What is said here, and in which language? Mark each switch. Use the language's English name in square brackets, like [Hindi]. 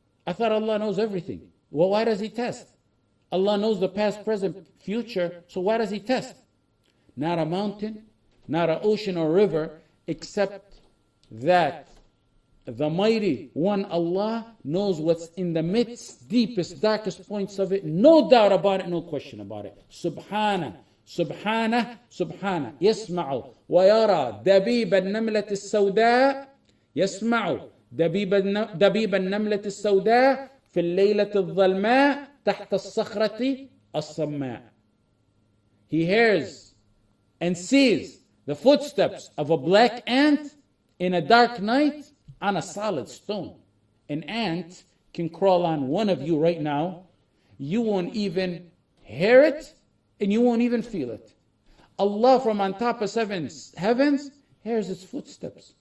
[English] I thought Allah knows everything. Well, why does He test? Allah knows the past, present, future, so why does He test? Not a mountain, not an ocean or river, except that the mighty one Allah knows what's in the midst, deepest, darkest points of it. No doubt about it, no question about it. [Arabic] Subhana. سبحانه سبحانه يسمع ويرى دبيب النملة السوداء يسمع دبيب النملة السوداء في الليلة الظلماء تحت الصخرة الصماء. [English] He hears and sees the footsteps of a black ant in a dark night on a solid stone. An ant can crawl on one of you right now. You won't even hear it. And you won't even feel it. Allah from on top of seven heavens hears its footsteps.